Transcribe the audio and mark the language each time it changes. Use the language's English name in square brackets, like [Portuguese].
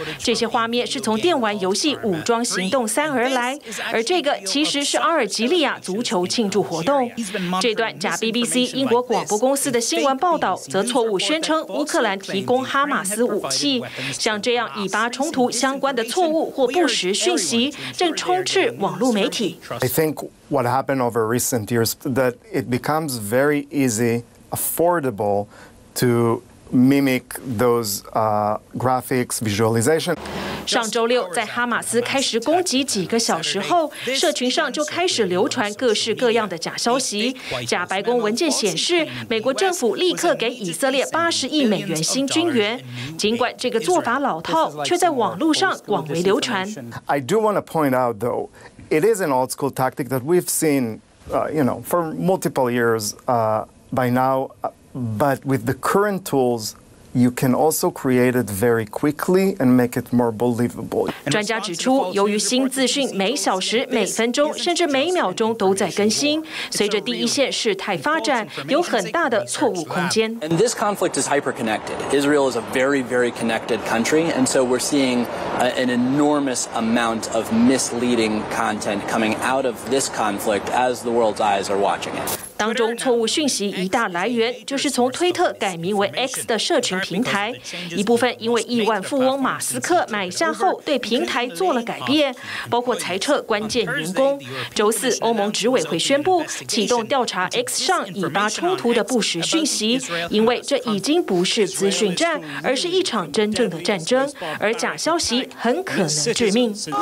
[Chinese] 这些画面是从电玩游戏《武装行动三》而来，而这个其实是阿尔及利亚足球庆祝活动。这段假 BBC 英国广播公司的新闻报道则错误宣称乌克兰提供哈马斯武器。像这样以巴冲突相关的错误或不实讯息正充斥网络媒体。 [English] I think what happened over recent years that it becomes very easy, affordable to mimic those graphics visualization. [Chinese] 上周六，在哈马斯开始攻击几个小时后，社群上就开始流传各式各样的假消息。假白宫文件显示，美国政府立刻给以色列$80亿新军援。尽管这个做法老套，却在网络上广为流传。 [English] I do want to point out, though, it is an old school tactic that we've seen, for multiple years, by now, but with the current tools. You can also create it very quickly and make it more believable. [Chinese] 专家指出，由于新资讯每小时、每分钟甚至每秒钟都在更新，随着第一线事态发展，有很大的错误空间。 [English] And this conflict is hyper-connected. Israel is a very, very connected country, and so we're seeing an enormous amount of misleading content coming out of this conflict as the world's eyes are watching it. [Chinese] 当中错误讯息一大来源就是从推特改名为 X 的社群平台，一部分因为亿万富翁马斯克买下后对平台做了改变，包括裁撤关键员工。周四欧盟执委会宣布启动调查 X 上以巴冲突的不实讯息，因为这已经不是资讯战，而是一场真正的战争，而假消息很可能致命。